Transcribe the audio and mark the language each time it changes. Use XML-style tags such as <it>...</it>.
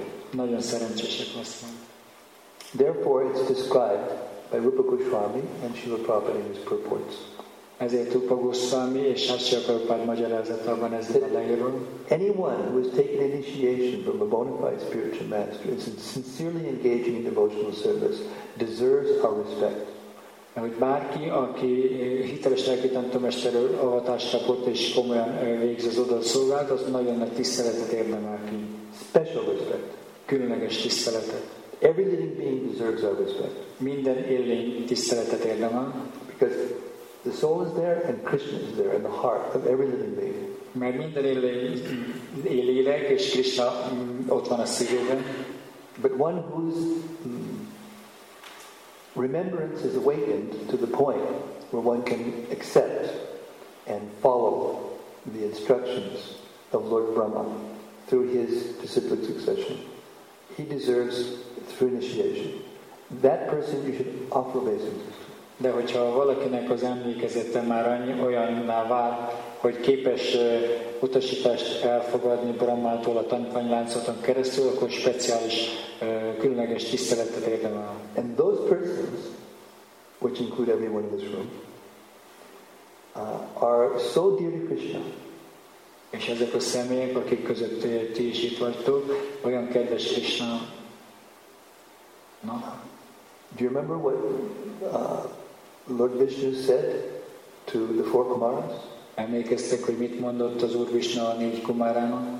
<hu>Nagyon szerencsések leszünk.</hu> <en>Therefore it's described by Rupa Goswami and Srila Prabhupada in his purports.</en> <hu>Ezért Rupa Goswami és Srila Prabhupada magyarázatában ez a leírva.</hu> <en>Anyone who has taken initiation from a bona fide spiritual master is sincerely engaging in devotional service deserves our respect.</en> <hu>Hogy bárki, aki hiteles lelki tanítómesterről avatást kapott és komolyan végzi az oda szolgált, az nagyon nagy tiszteletet érdemel ki.</hu> <en>Special respect.</en> <hu>Különleges tiszteletet.</hu> <en>Every living being deserves our respect.</en> <hu>Minden élőlény tiszteletet érdemel.</hu> <en>Because the soul is there and Krishna is there in the heart of every living being.</en> <hu>Mert minden élőlélek és Krishna ott van a szívében.</hu> <en>But one who's remembrance is awakened to the point where one can accept and follow the instructions of Lord Brahma through his disciplic succession. He deserves, through initiation, That person you should offer obeisances.</en> <hu>De hogyha valakinek az emlékezete már annyi olyanná vált, hogy képes utasítást elfogadni Brahmától a tanítványláncoton keresztül, akkor speciális, különleges tiszteletet érdemel.</hu> <en>And those persons, which include everyone in this room, are so dear to Krishna.</en> <hu>És ezek a személyek, akik között ti is itt vagytok, olyan kedves Krishna.</hu> <en>No? Do you remember what Lord Vishnu said to the four Kumaras?</en> <hu>Emlékeztek, hogy mit mondott az Úr Vishnu a négy Kumarának?</hu>